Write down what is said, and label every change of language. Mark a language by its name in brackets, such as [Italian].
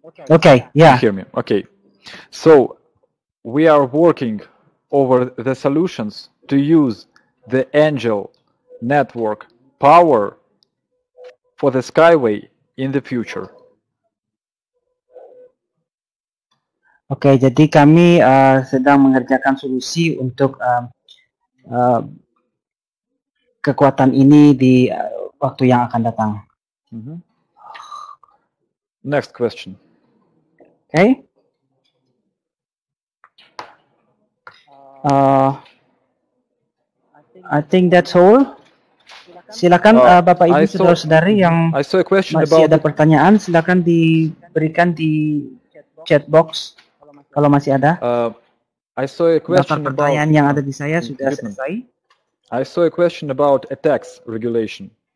[English] Okay. Yeah. You hear me? Okay. So we are working over the solutions to use the Angel Network power for the Skyway in the future. [Indonesian] Oke, okay, jadi kami sedang mengerjakan solusi untuk kekuatan ini di waktu yang akan datang. Mm-hmm. [English] Next question. [Indonesian] Oke. [English] Okay. I think that's all. [Indonesian] Silakan Bapak Ibu saudara-saudari yang masih ada pertanyaan, silakan diberikan di chat box. Kalau masih ada, [English] I saw a question [Indonesian] pertanyaan [English] about, [Indonesian] yang ada di saya sudah selesai. [English] I saw a question about a tax regulation.